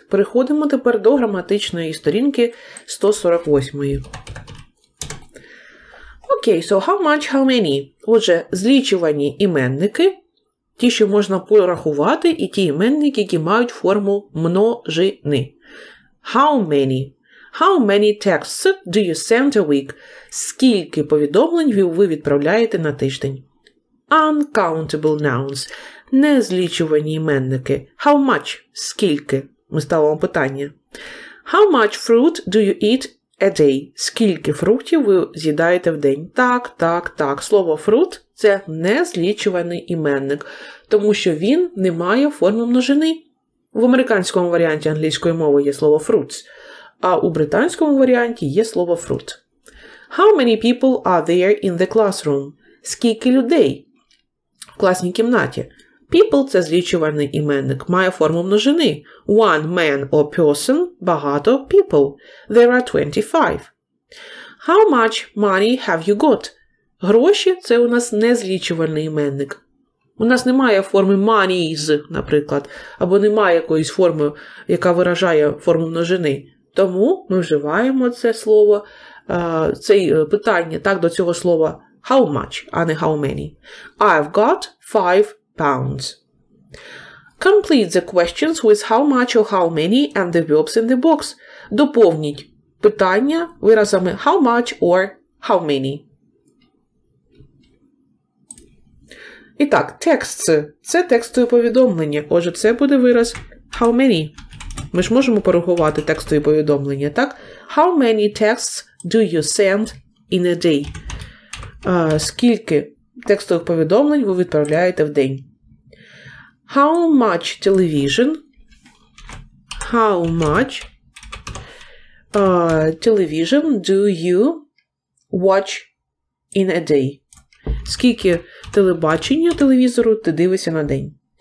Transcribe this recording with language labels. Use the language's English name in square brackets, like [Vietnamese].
[Ukrainian] Переходимо тепер до граматичної сторінки 148. [English] Окей, so how much, how many? [Ukrainian] Отже, злічувані іменники, ті, що можна порахувати, і ті іменники, які мають форму множини. [English] How many? How many texts do you send a week? [Ukrainian] Скільки повідомлень ви відправляєте на тиждень? [English] Uncountable nouns – [Ukrainian] незлічувані іменники. How much – скільки? Ми ставимо питання. [English] How much fruit do you eat a day? [Ukrainian] Скільки фруктів ви з'їдаєте в день? Так, так, так. Слово fruit – це незлічуваний іменник, тому що він не має форми множини. В американському варіанті англійської мови є слово fruits, а у британському варіанті є слово fruit. [English] How many people are there in the classroom? [Ukrainian] Скільки людей в класній кімнаті? People – це злічувальний іменник, має форму множини. [English] One man or person – [Ukrainian] багато [English] people. There are 25. How much money have you got? [Ukrainian] Гроші – це у нас незлічувальний іменник. У нас немає форми money's, наприклад, або немає якоїсь форми, яка виражає форму множини. Тому ми вживаємо це слово, це питання так до цього слова how much, а не how many. [English] I've got 5 pounds. Complete the questions with how much or how many and the verbs in the box. [Ukrainian] Доповніть питання виразами how much or how many. І так, texts. Це текстові повідомлення. Отже, це буде вираз how many. Ми ж можемо порахувати текстові повідомлення, так? [English] How many texts do you send in a day? [Ukrainian] Скільки текстових повідомлень ви відправляєте в день? [English] How much television? How much television do you watch in a day? [Ukrainian] Скільки телебачення телевізору ти дивишся на день?